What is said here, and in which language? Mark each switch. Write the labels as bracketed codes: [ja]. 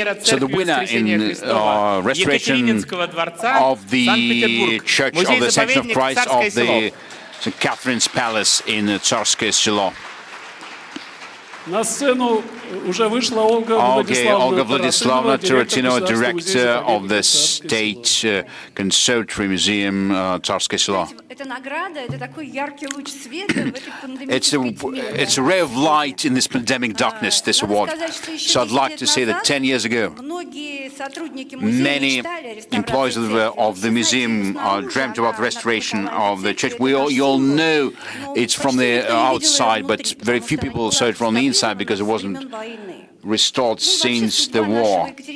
[en] So the winner in restoration of the Church of the Ascension of Christ of the St. Catherine's Palace in Tsarskoye Selo. [ru] На сцену уже вышла Ольга Владиславовна. [en] Ольга Владиславовна Туратино, [ru] директор [en] of the State Conservatory Museum Tsarskoye Selo. [ru] Это награда, это такой яркий луч света в этой пандемии. [en] It's a ray of light in this pandemic darkness, this award. So I'd like to say that 10 years ago, many employees of the museum dreamt about the restoration of the church. You all know it's from the outside, but very few people saw it from the inside because it wasn't restored since the war.